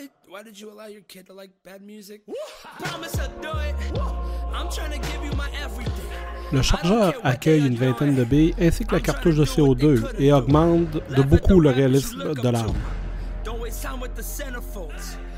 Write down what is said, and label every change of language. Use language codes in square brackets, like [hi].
[en] Why did you allow your kid to like bad music? Promise I'll do it. I'm trying to give you my everything. [fr] Le chargeur accueille une vingtaine de billes ainsi que la cartouche de CO2 et augmente de beaucoup le réalisme de l'arme. [en] Don't waste time with the centerfolds.